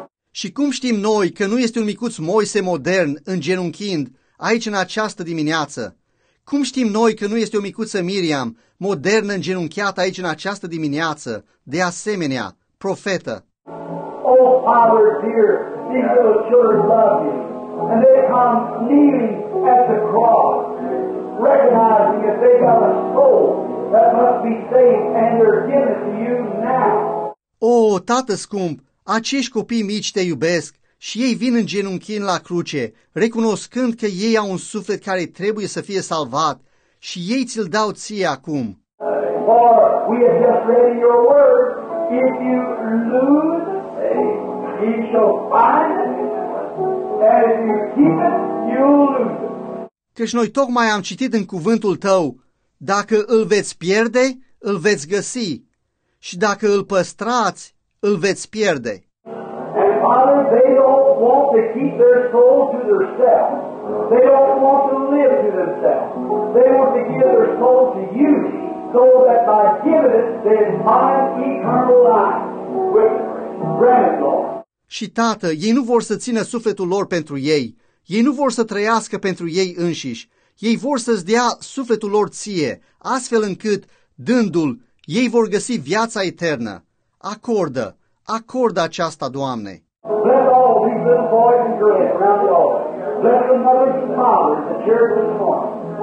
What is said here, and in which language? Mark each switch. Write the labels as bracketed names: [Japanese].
[Romanian] Și cum știm noi că nu este un micuț Moise modern îngenunchind aici în această dimineață? Cum știm noi că nu este o micuță Miriam modernă îngenunchiată aici în această dimineață, de asemenea, profetă? [English] O, Father dear, these little children love you, and they come kneeling at the cross, recognizing that they got a soul that must be saved, and they're given to you now. [Romanian] O, tată scump! Acești copii mici te iubesc și ei vin în genunchin la cruce, recunoscând că ei au un suflet care trebuie să fie salvat și ei ți-l dau ție acum. [English] For we have just read in your word, if you lose, you shall find it, and if you keep it, you'll lose it. [Romanian] Căci noi tocmai am citit în cuvântul tău, dacă îl veți pierde, îl veți găsi, și dacă îl păstrați, îl veți pierde. [English] And Father, they don't want to keep their soul to themselves. They don't want to live to themselves. They want to give their soul to you, so that by giving it, they find eternal life with grandma. [Romanian] Și tată, ei nu vor să țină sufletul lor pentru ei. Ei nu vor să trăiască pentru ei înșiși. Ei vor să-ți dea sufletul lor ție, astfel încât, dându-l, ei vor găsi viața eternă. Acordă, acordă aceasta, Doamne. [English] Bless all these little boys and girls around the altar. Bless the mothers and fathers that share this morning.